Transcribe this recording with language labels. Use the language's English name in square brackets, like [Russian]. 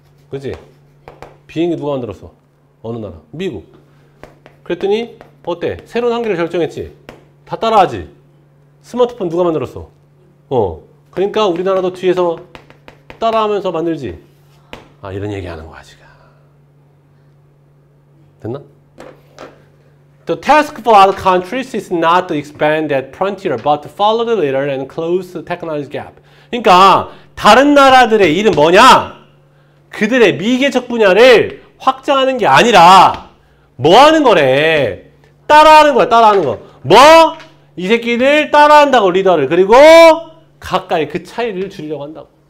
[Korean] 그지? 비행기 누가 만들었어? 어느 나라? 미국. 그랬더니 어때? 새로운 한계를 결정했지. 다 따라하지. 스마트폰 누가 만들었어? 어. 그러니까 우리나라도 뒤에서 따라하면서 만들지. 아, 이런 얘기하는 거야 지금. 됐나? [English] The task for other countries is not to expand that frontier, but to follow the leader and close the technology gap. [Korean] 그러니까 다른 나라들의 일은 뭐냐? 그들의 미개척 분야를 확장하는 게 아니라 뭐 하는 거래? 따라하는 거야, 따라하는 거. 뭐? 이 새끼들 따라한다고, 리더를. 그리고 가까이 그 차이를 줄이려고 한다고.